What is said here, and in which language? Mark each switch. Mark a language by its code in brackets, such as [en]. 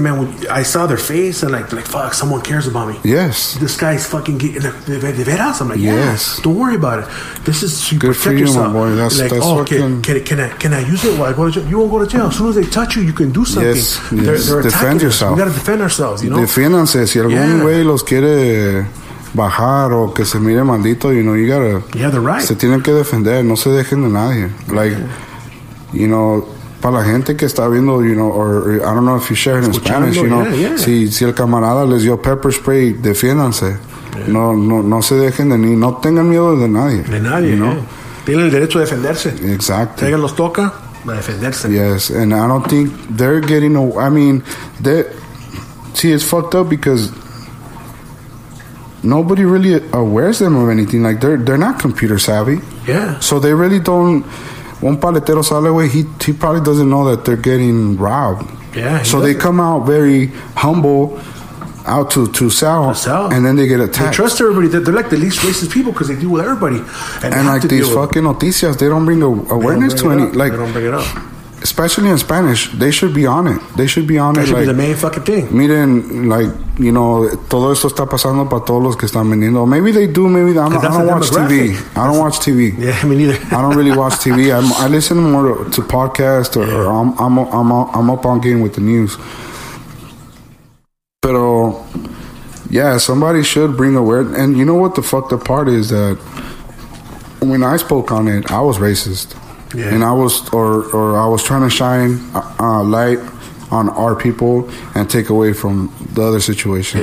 [en] Man, when I saw their face and like fuck, someone cares about me. Yes, this guy's fucking they've had us. I'm like, yes, don't worry about it. This is you good for you, yourself. My boy. That's like, that's oh, can I use it? Well, I go to jail. You won't go to jail. As soon as they touch you, you can do something. Yes, defend yourself. We gotta defend ourselves. You know, [es] defiéndanse. Si algún güey los quiere bajar o que se mire maldito, [en] you know, you gotta. Yeah, they're right. [es] Se tienen que defender. No se dejen de nadie. Like, you know. Para la gente que está viendo, [en] you know, or I don't know if you share it in Spanish, you know. Yeah, yeah. [es] Si el camarada les dio pepper spray, defiéndanse. Yeah. No, no, no se dejen de ni, no tengan miedo de nadie. De nadie, [en] you know. [es] Tienen el derecho a defenderse. Exacto. Si alguien los toca, a defenderse. [en] Yes, and I don't think they're getting, I mean, they, see, it's fucked up because nobody really awares them of anything. Like, they're not computer savvy. Yeah. So they really don't. [es] Un paletero sale, güey, [en] he probably doesn't know that they're getting robbed. Yeah. They come out very humble, out to sell. To sell. And then they get attacked. They trust everybody. They're like the least racist people because they deal with everybody. And like these fucking noticias, they don't bring awareness to any. Like, they don't bring it up. Especially in Spanish, they should be on it. They should be on that it. That should be the main fucking thing. [es] Miren, like, you know, todo esto está pasando para todos los que están vendiendo. [en] Maybe they do. Maybe they, I don't watch TV. Yeah, me neither. I don't really watch TV. I listen more to podcasts or I'm up on game with the news. But yeah, somebody should bring awareness. And you know what the fucked up part is that when I spoke on it, I was racist, and I was or I was trying to shine light on our people and take away from the other situation.